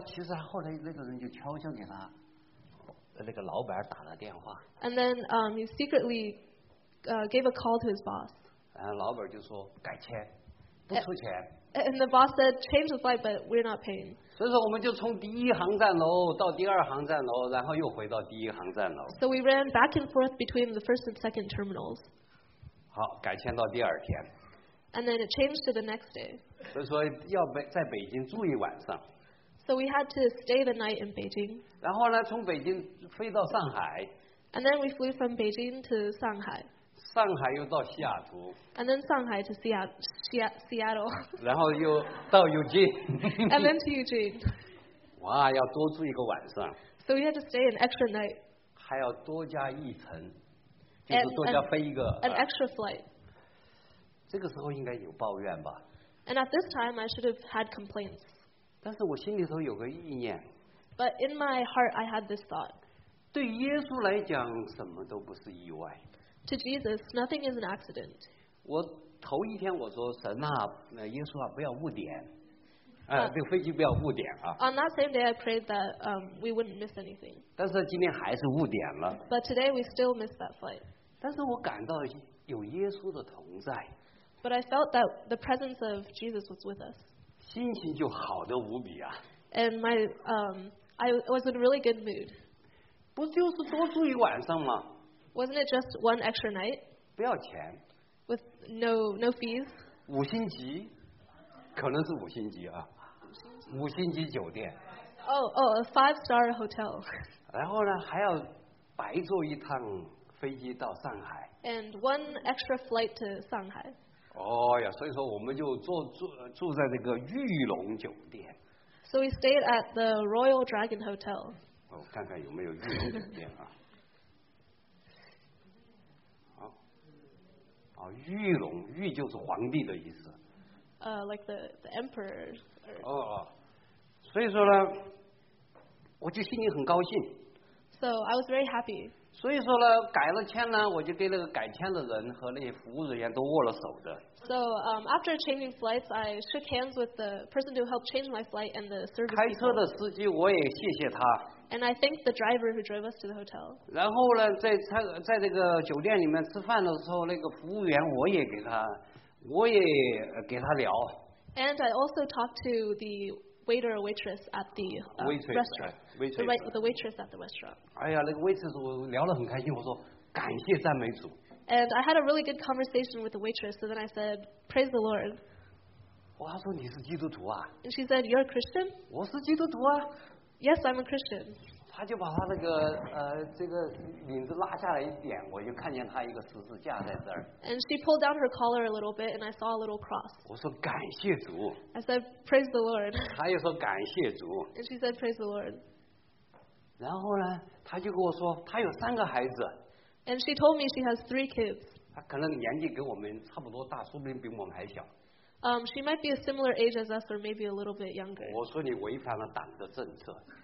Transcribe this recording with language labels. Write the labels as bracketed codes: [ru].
[zh] 其实后来那个人就悄悄给他那个老板打了电话。 [en] And then he secretly. Gave a call to his boss. [zh] 然后老板就说改签，不出钱。 [en] And the boss said, "Change the flight, but we're not paying." [zh] 所以说我们就从第一航站楼到第二航站楼，然后又回到第一航站楼。 [en] So we ran back and forth between the first and second terminals. [zh] 好，改签到第二天。 [en] And then it changed to the next day. [zh] 所以说要在北京住一晚上。 [en] So we had to stay the night in Beijing. [zh] 然后呢，从北京飞到上海。 [en] And then we flew from Beijing to Shanghai. [zh] 上海又到西雅图。 [en] And then Shanghai to Seattle. [zh] 然后又到 Eugene. [en] And then to Eugene. [zh] 哇，要多住一个晚上。 [en] So we had to stay an extra night. [zh] 还要多加一层，就是多加飞一个。 [en] An extra flight. [zh] 这个时候应该有抱怨吧。 [en] And at this time, I should have had complaints. [zh] 但是我心里头有个意念。 [en] But in my heart, I had this thought. [zh] 对耶稣来讲，什么都不是意外。 [en] To Jesus, nothing is an accident. [zh] 我头一天我说神啊，耶稣啊，不要误点。这个飞机不要误点啊。 [en] On that same day, I prayed that we wouldn't miss anything. [zh] 但是今天还是误点了。 [en] But today we still missed that flight. [zh] 但是我感到有耶稣的同在。 [en] But I felt that the presence of Jesus was with us. [zh] 心情就好得无比啊。 [en] And my I was in a really good mood. [zh] 不就是多住一晚上吗？ [en] Wasn't it just one extra night? [zh] 不要钱。 [en] With no fees. [zh] 五星级，可能是五星级啊，五星级酒店。 [en] A five-star hotel. [zh] 然后呢，还要白坐一趟飞机到上海。 [en] And one extra flight to 上海。 [zh] 哦呀，所以说我们就住在这个玉龙酒店。 [en] So we stayed at the Royal Dragon Hotel. [zh] 哦，看看有没有玉龙酒店啊。哦，玉龙，玉就是皇帝的意思。 [en] Like the emperor. [zh] 所以说呢，我就心里很高兴。 [en] So I was very happy. [zh] 所以说呢，改了签呢，我就跟那个改签的人和那些服务人员都握了手的。 [en] So after changing flights, I shook hands with the person who helped change my flight and the service. [zh] 开车的司机我也谢谢他。 [en] And I thanked the driver who drove us to the hotel. [zh] 然后呢，在这个酒店里面吃饭的时候，那个服务员我也给他。我也给他聊。 [en] And I also talked to the waiter or waitress at the waitress at the restaurant. [zh] 哎呀，那个 waitress 我聊得很开心，我说感谢赞美主。 [en] And I had a really good conversation with the waitress, so then I said, praise the Lord. [zh] 我说你是基督徒啊。 [en] And she said, you're a Christian? [zh] 我是基督徒啊。 [en] Yes, I'm a Christian. [zh] 他就把他那个这个领子拉下来一点，我就看见他一个十字架在这儿。 [en] And she pulled down her collar a little bit, and I saw a little cross. [zh] 我说感谢主。 [en] I said, praise the Lord. [zh] 他又说感谢主。 [en] And she said, praise the Lord. [zh] 然后呢，他就跟我说他有三个孩子。 [en] And she told me she has three kids. [zh] 他可能年纪跟我们差不多大，说不定比我们还小。 [en] She might be a similar age as us, or maybe a little bit younger. [zh] 我说你违反了党的政策。